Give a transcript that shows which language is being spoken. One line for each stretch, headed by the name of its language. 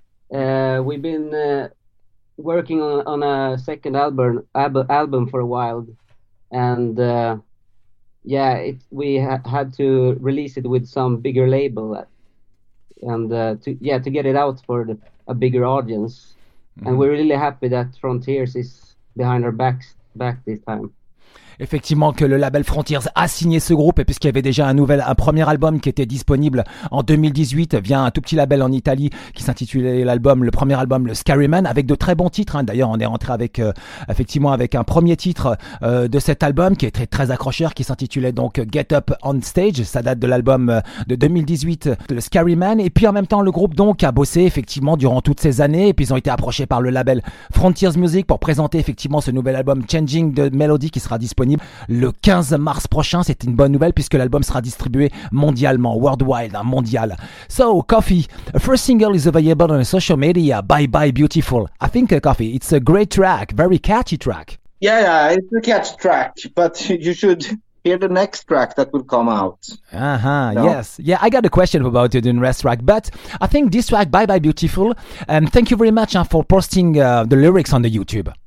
English: We've been working on a second album for a while, and we had to release it with some bigger label, and to get it out for a bigger audience. Mm-hmm. And we're really happy that Frontiers is behind our backs this time.
French: Effectivement, que le label Frontiers a signé ce groupe, et puisqu'il y avait déjà un premier album qui était disponible en 2018 via un tout petit label en Italie qui s'intitulait le premier album le Scary Man, avec de très bons titres, hein. D'ailleurs, on est rentré avec un premier titre de cet album qui est très très accrocheur, qui s'intitulait donc Get Up on Stage. Ça date de l'album de 2018, le Scary Man. Et puis en même temps, le groupe donc a bossé effectivement durant toutes ces années, et puis ils ont été approchés par le label Frontiers Music pour présenter effectivement ce nouvel album Changing the Melody qui sera disponible le 15 mars prochain. C'est une bonne nouvelle puisque l'album sera distribué mondialement, worldwide, hein, mondial.
English: So, Coffee, the first single is available on social media, Bye Bye Beautiful. I think, Coffee, it's a great track, very catchy track. Yeah, it's a catchy track, but you should hear the next track that will come out. Yes. Yeah, I got a question about it in rest track, but I think this track, Bye Bye Beautiful, and thank you very much for posting the lyrics on the YouTube.